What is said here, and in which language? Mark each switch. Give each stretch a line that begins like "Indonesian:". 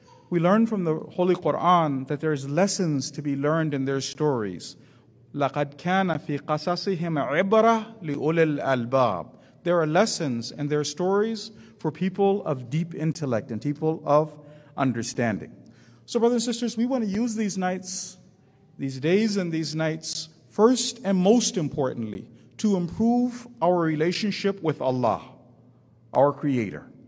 English: We learn from the Holy Quran that there is lessons to be learned in their stories.
Arabic: لقد كان في قصصهم عبرة لأولي الألباب.
English: There are lessons in their stories for people of deep intellect and people of understanding. So brothers and sisters, we want to use these nights, these days and these nights, first and most importantly, to improve our relationship with Allah, our Creator.